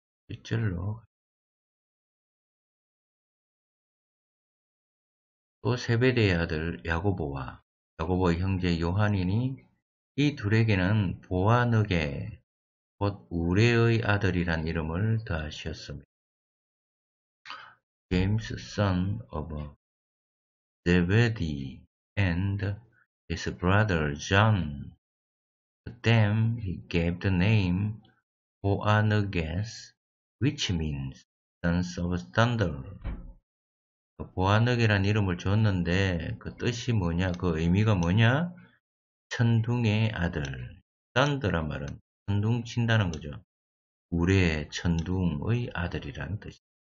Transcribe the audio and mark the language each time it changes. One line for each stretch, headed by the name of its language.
Korean: 1절로 또 세베대의 아들 야고보와 야고보의 형제 요한이니 이 둘에게는 보아늑에 곧 우레의 아들이란 이름을 더하셨습니다.
English: James, son of Zebedee and his brother John. To them he gave the name Boanerges, which means sons of thunder.
Korean: 보아늑이란 이름을 줬는데 그 뜻이 뭐냐? 그 의미가 뭐냐? 천둥의 아들. 딴드란 말은 천둥 친다는 거죠. 우레 천둥의 아들이란 뜻이죠.